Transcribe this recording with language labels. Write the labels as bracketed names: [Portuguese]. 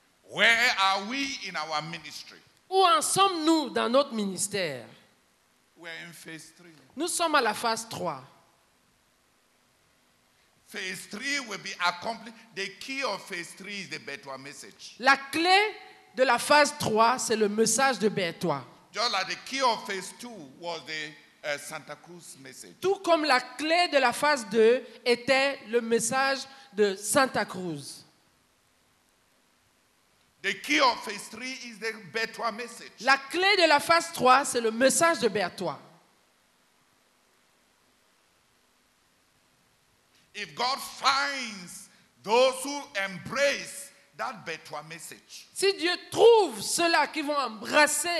[English] Where are we in our ministry? [French] Où en sommes-nous dans notre ministère? [English] We're in phase 3. [French] Nous sommes à la phase 3. [English] Phase 3 will be accomplished. The key of phase 3 is the Bertois message. [French] La clé de la phase 3, c'est le message de Bertois. [English] Just like the key of phase 2 was the Santa Cruz message. [French] Tout comme la clé de la phase 2 était le message de Santa Cruz. [English] The key of phase 3 is the Bertois message. [French] La clé de la phase 3, c'est le message de Bertois. [English] If God finds those who embrace that Bertois message. [French] Si Dieu trouve ceux-là qui vont embrasser.